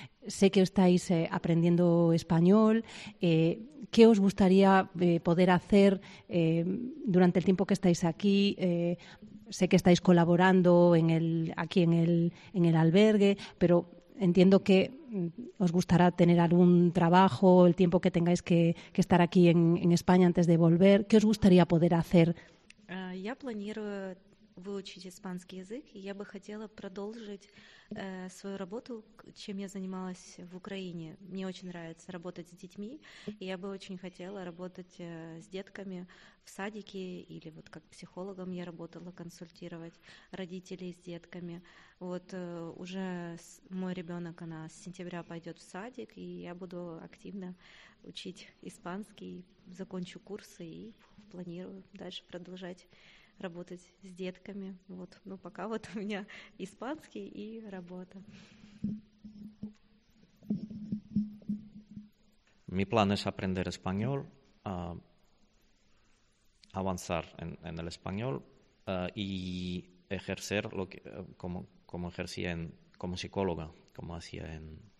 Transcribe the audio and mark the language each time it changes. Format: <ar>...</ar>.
<es>Sé que estáis aprendiendo español. ¿Qué os gustaría poder hacer durante el tiempo que estáis aquí? Sé que estáis colaborando aquí en el albergue, pero entiendo que os gustará tener algún trabajo el tiempo que tengáis que estar aquí en España antes de volver. ¿Qué os gustaría poder hacer?</es> <ru>Я планирую выучить испанский язык, и я бы хотела продолжить свою работу, чем я занималась в Украине. Мне очень нравится работать с детьми, и я бы очень хотела работать с детками в садике, или вот как психологом я работала, консультировать родителей с детками. Вот уже мой ребенок, она с сентября пойдет в садик, и я буду активно учить испанский, закончу курсы и планирую дальше продолжать работать с детками. Вот, ну пока вот у меня испанский и работа.</ru> <es>Mi plan es aprender español, avanzar en el español y ejercer lo que como ejercía en como psicóloga, como hacía en</es>